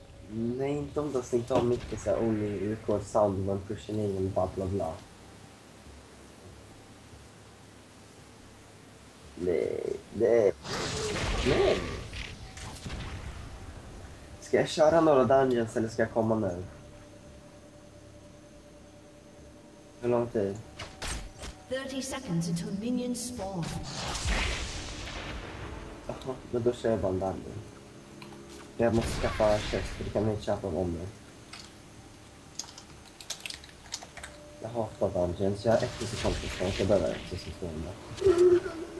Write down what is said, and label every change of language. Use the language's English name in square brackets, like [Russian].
[Swedish] Nej, inte om du har stängt av mycket såhär [English] only record sound, [Swedish] man pushar ner och bla bla bla. Nej. Ska jag köra några dungeons eller ska jag komma nu? Hur lång tid? [English] 30 seconds until minions spawn. [Swedish] Jaha, men då kör jag bara en dungeon. Jag måste skaffa kött, för det kan man inte köpa om mig. Jag hatar dungeons, jag har 1 000 kompisar, så jag behöver 1 000 kompisar.